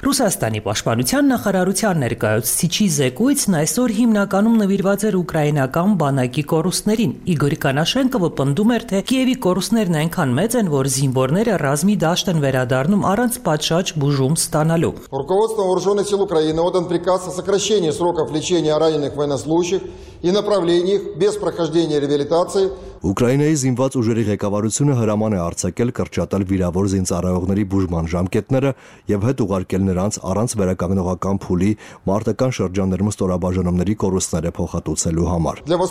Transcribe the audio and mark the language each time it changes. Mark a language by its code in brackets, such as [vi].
[hy] Ռուսաստանի պաշտպանության նախարարության ներկայացուցիչի զեկույցն այսօր հիմնականում նվիրված էր ուկրաինական բանակի կորուստներին։ Իգոր Կանաշենկը վպնդում էր, թե Կիևի կորուստներն այնքան մեծ են, որ զինվորները ռազմիդաշտ են վերադառնում առանց պատշաճ բուժում ստանալու։ [ru] Руководство вооружённых сил Украины отдан приказ о сокращении сроков лечения раненых военнослужащих и направлении их без прохождения реабилитации։ [hy] Ուկրաինայի զինված ուժերի ղեկավարությունը հրաման է արձակել կրճատել վիրավոր զինծառայողների բուժման ժամկետները եւ հետ ուղարկել նրանց առանց վերականգնողական փուլի մարտական շրջաններում ստորաբաժանումների կորուստները փոխհատուցելու համար։